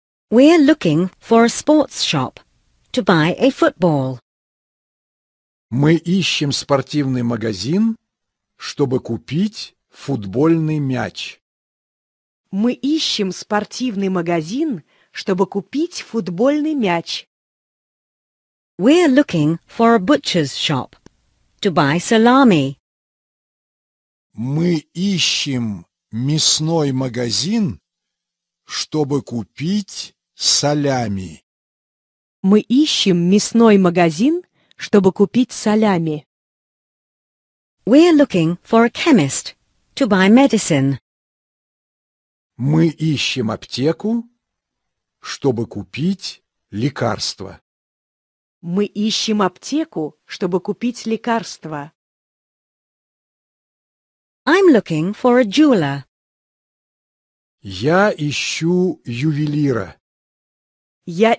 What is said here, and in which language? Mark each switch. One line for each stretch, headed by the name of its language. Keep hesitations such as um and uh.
English: We are looking for a sports shop to buy a football.
Russian: Мы ищем спортивный магазин, чтобы купить футбольный мяч. Мы ищем спортивный магазин, чтобы купить футбольный мяч.
English: We're looking for a butcher's shop to buy salami.
Russian: Мы ищем мясной магазин, чтобы купить салями. Мы ищем мясной магазин, чтобы купить солями.
English: We're looking for a chemist to buy medicine.
Russian: Мы ищем аптеку, чтобы купить лекарства. Мы ищем аптеку, чтобы купить лекарства.
English: I'm looking for a jeweler.
Russian: Я ищу ювелира. Я